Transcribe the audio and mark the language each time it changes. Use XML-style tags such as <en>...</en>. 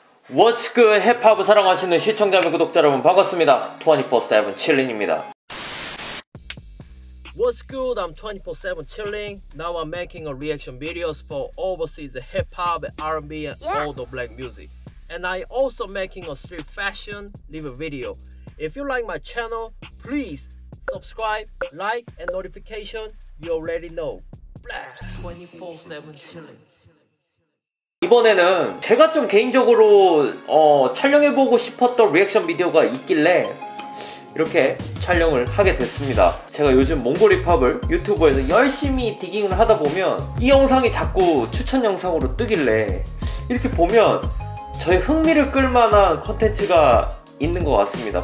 <en>What's good,</en> <ko>힙합을 사랑하시는 시청자분, 구독자 여러분 반갑습니다. 24/7 chilling입니다.</ko> <en>What's good, I'm 24/7 chilling. Now I'm making a reaction videos for overseas hip-hop, R&B, and all the black music. And I also making a street fashion live video. If you like my channel, please subscribe, like, and notification, you already know. Blast 24/7 chilling.</en> <ko>이번에는 제가 좀 개인적으로 촬영해보고 싶었던 리액션 비디오가 있길래 이렇게 촬영을 하게 됐습니다. 제가 요즘 몽골 힙합을 유튜브에서 열심히 디깅을 하다 보면 이 영상이 자꾸 추천 영상으로 뜨길래 이렇게 보면 저의 흥미를 끌만한 콘텐츠가 있는 것 같습니다.</ko>